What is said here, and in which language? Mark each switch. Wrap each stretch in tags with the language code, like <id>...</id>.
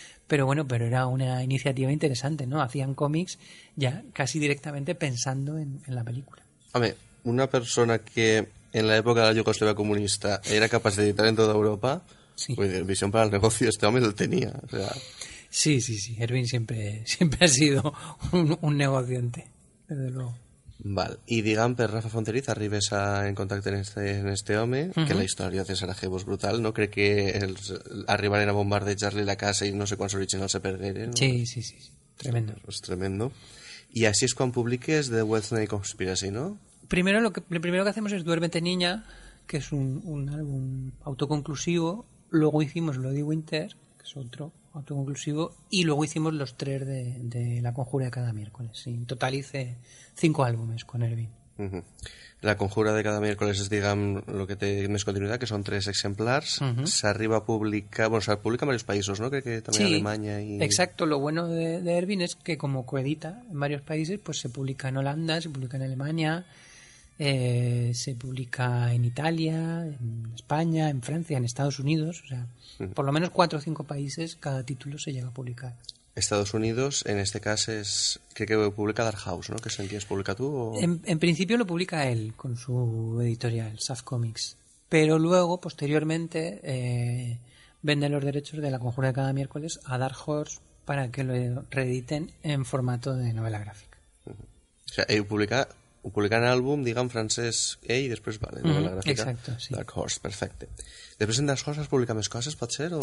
<es>Pero bueno, pero era una iniciativa interesante, ¿no? Hacían cómics ya casi directamente pensando en la película. A ver, una persona que en la época de la Yugoslavia comunista era capaz de editar en toda Europa, sí, pues visión para el negocio este hombre lo tenía, o sea... Sí, sí, sí. Ervin siempre ha sido un negociante, desde luego. Vale.</es> <ca>Y digan, per Rafa Fonteriz, arribes a en contacte en este home, uh-huh, que la història de Sarajevo és brutal, no? Crec que els arribaren a bombardejar-li la casa i no sé quants originals se perderen.</ca> <es>Sí, sí, sí, sí. Tremendo.</es> <ca>És tremendo. I així és quan publiques The Wednesday Conspiracy, no?</ca> <es>Primero, lo primero que hacemos es Duérmete, niña, que es un álbum autoconclusivo. Luego hicimos Bloody Winter, que es otro autoconclusivo, y luego hicimos los tres de La Conjura de Cada Miércoles. En total hice 5 álbumes con Ervin. Uh-huh. La Conjura de Cada Miércoles es, digamos, lo que tiene más continuidad, que son 3 exemplares. Uh-huh. Se arriba a publicar, bueno, se publica en varios países, ¿no? Creo que también, sí, Alemania y... Exacto, lo bueno de Ervin es que como coedita en varios países, pues se publica en Holanda, se publica en Alemania, se publica en Italia, en España, en Francia, en Estados Unidos, o sea, por lo menos 4 o 5 países cada título se llega a publicar. Estados Unidos, en este caso, es, creo que publica Dark House, ¿no? ¿Qué sentías? ¿Publica tú? O... En principio lo publica él con su editorial, Saf Comics, pero luego, posteriormente, vende los derechos de La Conjura de Cada Miércoles a Dark Horse para que lo reediten en formato de novela gráfica. Uh-huh. O sea, él publica...</es> <ca>Ho publicà en àlbum, diguem, francès, i després, vale, no, la gràfica. Exacte, sí. Dark Horse, perfecte. Després en Dark Horse has publicat més coses, pot ser?</ca>